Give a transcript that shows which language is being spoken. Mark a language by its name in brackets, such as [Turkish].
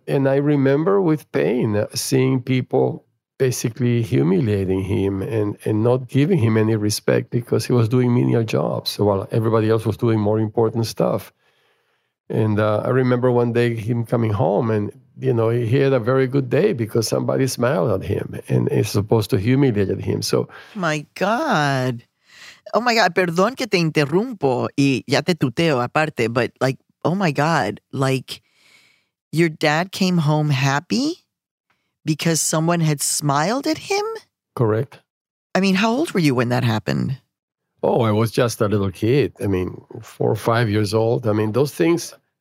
[English] And I remember with pain seeing people basically humiliating him and not giving him any respect because he was doing menial jobs while everybody else was doing more important stuff. And I remember one day him coming home and, you know, he had a very good day because somebody smiled at him and is supposed to humiliate him. So, my God. Oh, my God. [Spanish] Perdón que te interrumpo y ya te tuteo aparte. [English] But, like, oh, my God. Like, your dad came home happy? Because someone had smiled at him? Correct. I mean, how old were you when that happened? Oh, I was just a little kid. I mean, 4 or 5 years old. I mean, those things.